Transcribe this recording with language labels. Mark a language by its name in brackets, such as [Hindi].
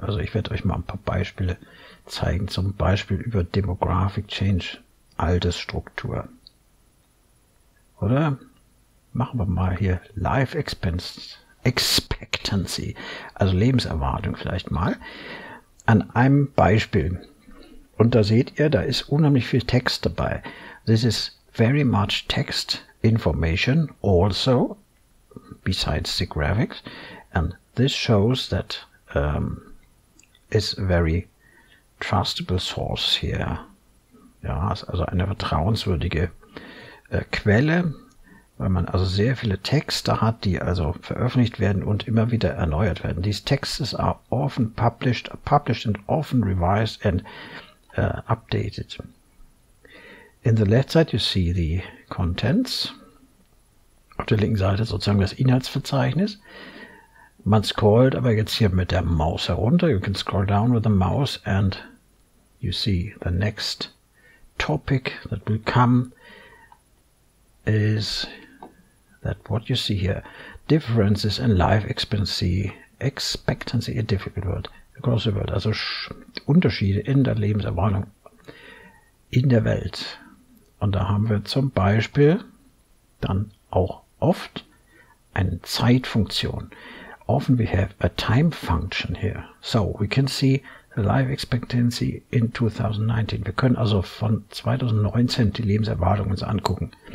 [German] Also ich werde euch mal ein paar Beispiele zeigen. Zum Beispiel über Demographic Change, Altersstruktur. Oder machen wir mal hier Life Expectancy, also Lebenserwartung vielleicht mal, an einem Beispiel. Und da seht ihr, da ist unheimlich viel Text dabei. [English] This is very much text information also, besides the graphics. And this shows that is very trustable source here. [German] Ja, ist also eine vertrauenswürdige Quelle. Weil man also sehr viele Texte hat, die also veröffentlicht werden und immer wieder erneuert werden. [English] These texts are often published and often revised and updated. In the left side you see the contents. [German] Auf der linken Seite sozusagen das Inhaltsverzeichnis. Man scrollt aber jetzt hier mit der Maus herunter. [English] You can scroll down with the mouse and you see the next topic that will come is that what you see here, differences in life expectancy, a difficult word, across the world, [German] also Unterschiede in der Lebenserwartung in der Welt. Und da haben wir zum Beispiel dann auch oft eine Zeitfunktion. [English] Often we have a time function here. So we can see the life expectancy in 2019. [German] Wir können also von 2019 die Lebenserwartung uns angucken.